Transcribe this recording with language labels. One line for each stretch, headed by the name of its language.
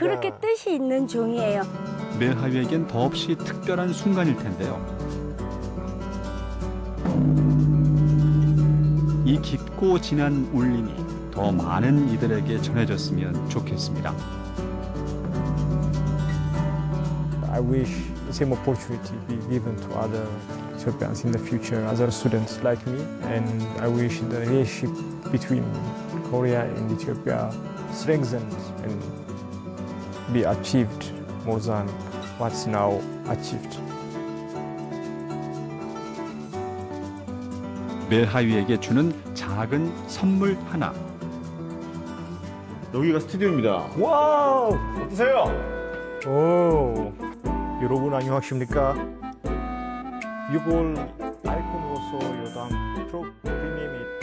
Korean: 그렇게 뜻이 있는 종이에요. 멜하위에겐 더없이 특별한 순간일 텐데요. 이 깊고 진한 울림이 더 많은 이들에게 전해졌으면 좋겠습니다.
English: I wish the same opportunity be given to other Ethiopians in the future, other students like me. And I wish the relationship between Korea and Ethiopia strengthened and be achieved more than what's now achieved.
Korean: 멜하위에게 주는 작은 선물 하나. 여기가 스튜디오입니다. 와우! 어떠세요? 오! 여러분 안녕하십니까? 이걸 아이콘으로서 여담 프로그램이